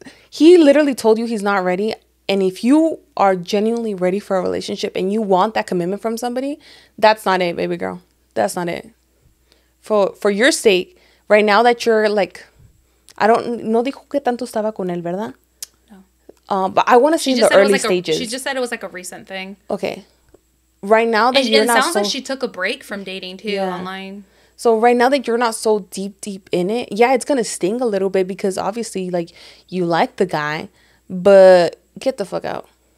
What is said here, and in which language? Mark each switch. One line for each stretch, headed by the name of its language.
English: He literally told you he's not ready. And if you are genuinely ready for a relationship and you want that commitment from somebody, that's not it, baby girl. That's not it. For your sake, right now that you're like, I don't,
Spanish: no dijo que tanto estaba con él, ¿verdad?
English: No. But I want to see the early stages. She just said it was like a recent thing. Okay. Right now that you're not so. It sounds like she took a break from dating too online. So right now that you're not so deep in it, yeah, it's going to sting a little bit because obviously, like, you like the guy, but get the fuck out.